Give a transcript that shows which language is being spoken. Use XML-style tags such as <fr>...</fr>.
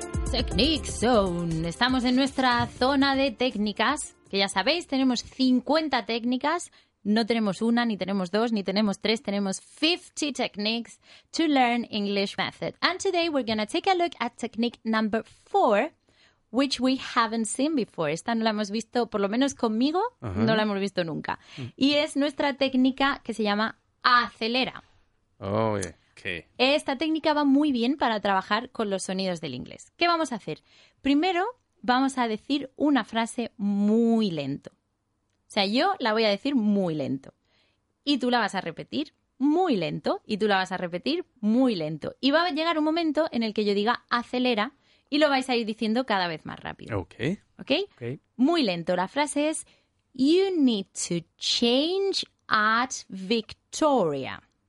<en>Techniques Zone.</en> <es>Estamos en nuestra zona de técnicas, que ya sabéis, tenemos 50 técnicas. No tenemos una, ni tenemos dos, ni tenemos tres. Tenemos</es> <en>50 techniques to learn English method. And today we're going to take a look at technique number 4, which we haven't seen before.</en> <es>Esta no la hemos visto, por lo menos conmigo, no la hemos visto nunca. Y es nuestra técnica que se llama acelera.</es> <en>Oh, okay.</en> <es>Esta técnica va muy bien para trabajar con los sonidos del inglés. ¿Qué vamos a hacer? Primero, vamos a decir una frase muy lento. O sea, yo la voy a decir muy lento. Y tú la vas a repetir muy lento. Y tú la vas a repetir muy lento. Y va a llegar un momento en el que yo diga acelera, y lo vais a ir diciendo cada vez más rápido.</es> <en>Okay.</en> <es>Muy lento. La frase es,</es> <en>you need to change at Victoria.</en>